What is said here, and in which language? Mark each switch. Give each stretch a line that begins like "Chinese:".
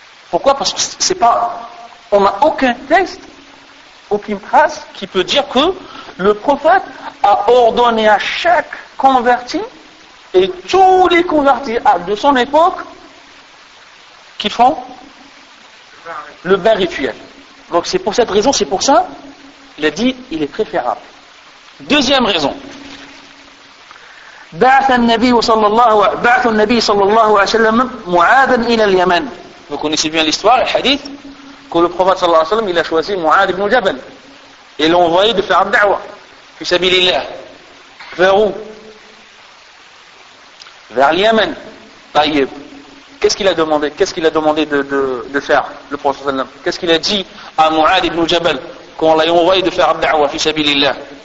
French: Pourquoi? Parce que c'est pas, on n'a aucun texte, aucune trace qui peut dire que le prophète a ordonné à chaque converti et tous les convertis de son époque qui font le bain rituel. Donc c'est pour cette raison, c'est pour ça il a dit, il est préférable. Deuxième raison.
Arabic: بعث النبي صلى الله عليه وسلم معاذا إلى اليمن.
French: Vous connaissez bien l'histoire, le hadith, que le prophète sallallahu alayhi wa sallam, il a choisi Mu'ad ibn Jabal. Et l'a envoyé de faire un da'wa. Fi sabilillah. Vers où? Vers l'Yémen. Tayyib. Qu'est-ce qu'il a demandé? Qu'est-ce qu'il a demandé de faire, le prophète sallallahu alayhi wa sallam? Qu'est-ce qu'il a dit à Mu'ad ibn Jabal quand on l'a envoyé de faire un da'wa fi sabilillah?